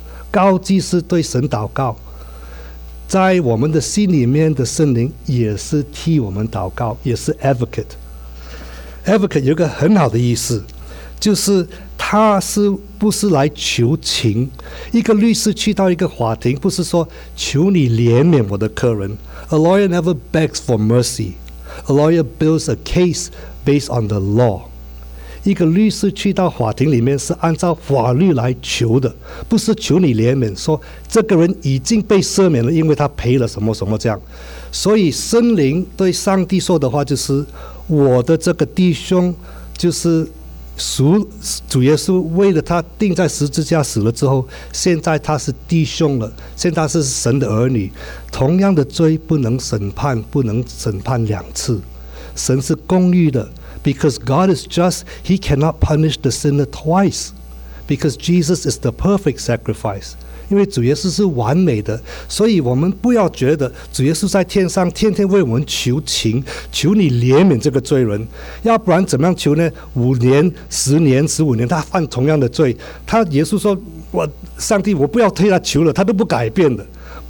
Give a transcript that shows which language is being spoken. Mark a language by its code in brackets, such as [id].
[zh] 高祭司对神祷告，在我们的心里面的圣灵也是替我们祷告，也是 advocate。 advocate 有一个很好的意思，就是他是不是来求情。一个律师去到一个法庭，不是说求你怜悯我的客人。 [en] A lawyer never begs for mercy. A lawyer builds a case based on the law。 [zh] 一个律师去到法庭里面是按照法律来求的，不是求你怜悯，说这个人已经被赦免了，因为他赔了什么什么这样。所以圣灵对上帝说的话就是，我的这个弟兄就是主耶稣为了他钉在十字架死了之后，现在他是弟兄了，现在是神的儿女，同样的罪不能审判两次，神是公义的。 [en] Because God is just, He cannot punish the sinner twice. Because Jesus is the perfect sacrifice. [zh] 因为主耶稣是完美的，所以我们不要觉得主耶稣在天上天天为我们求情，求你怜悯这个罪人。要不然怎么样求呢？五年、十年、十五年，他犯同样的罪，他耶稣说：“我上帝，我不要替他求了，他都不改变的。”